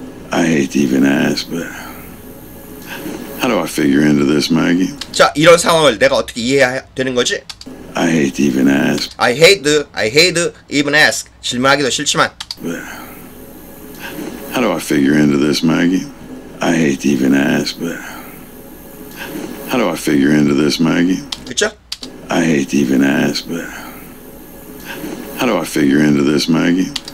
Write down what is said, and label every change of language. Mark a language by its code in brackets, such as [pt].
[en] I hate to even ask, but how do I figure into this, Maggie? [ko] 자, 이런 상황을 내가 어떻게 이해해야 되는 거지? [en] I hate to even ask. I hate to even ask. [ko] 질문하기도 싫지만. [en] But how do I figure into this, Maggie? I hate to even ask, but how do I figure into this, Maggie? [ko] 그쵸? [en] I hate to even ask, but how do I figure into this, Maggie?